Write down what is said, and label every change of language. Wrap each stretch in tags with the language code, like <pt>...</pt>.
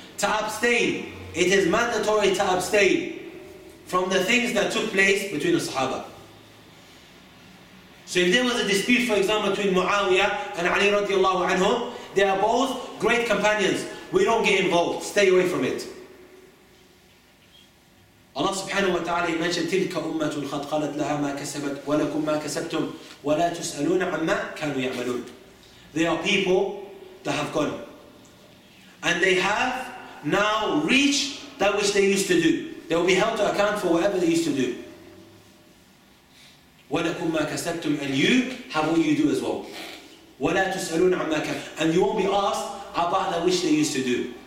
<en>To abstain, it is mandatory to abstain from the things that took place between the Sahaba. So if there was a dispute, for example, between Muawiyah and Ali radiallahu anhum, they are both great companions. We don't get involved. Stay away from it. Allah subhanahu wa ta'ala mentioned,</en> <ar>تِلْكَ أُمَّةٌ قَدْ قَالَتْ لَهَا مَا كَسَبَتْ وَلَكُمْ مَا كَسَبْتُمْ وَلَا تُسْأَلُونَ عَمَّا كَانُوا يَعْمَلُونَ.</ar> <en>They are people that have gone. And they have now reached that which they used to do. They will be held to account for whatever they used to do.</en> <ar>وَلَكُمْ مَا كَسَبْتُمْ</ar> <en>And you have what you do as well.</en> <ar>وَلَا تُسْأَلُونَ عَمَّا كَسَبْتُمْ</ar> <en>And you won't be asked about that which they used to do.</en>